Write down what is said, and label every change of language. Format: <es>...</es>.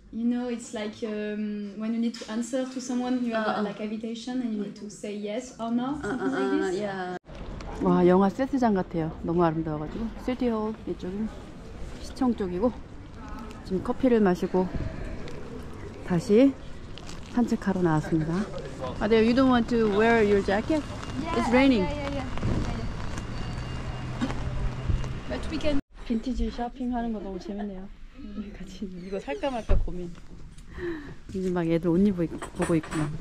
<en>You know, it's like when you need to answer to someone, you have like invitation, and you need to say yes or no, something like this. Yeah.</en> <ko>와, 영화 세트장 같아요. 너무 아름다워가지고. 시티홀 이쪽은 시청 쪽이고 지금 커피를 마시고 다시 산책하러 나왔습니다.</ko> <en>Adele, you don't want to wear your jacket? Yeah, it's raining. Yeah. But we can...</en> <ko>빈티지 쇼핑하는 거 너무 재밌네요. 이거 살까 말까 고민. 이제 막 애들 옷 보고 있구나.</ko>